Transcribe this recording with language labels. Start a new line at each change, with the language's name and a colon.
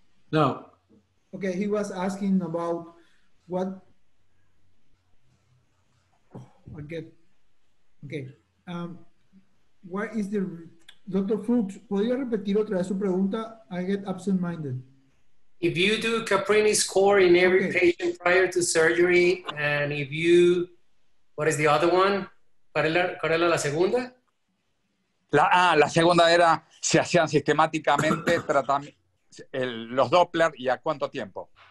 English: No. Okay, he was asking about what... What is the...
Spanish: Dr. Fuchs, ¿podría repetir otra vez su pregunta?
English: I get absent-minded. If you do Caprini score in every patient prior to surgery, and if you, what is the other one?
Spanish: ¿Cuál era la segunda? La segunda era si hacían sistemáticamente los Doppler y a cuánto tiempo.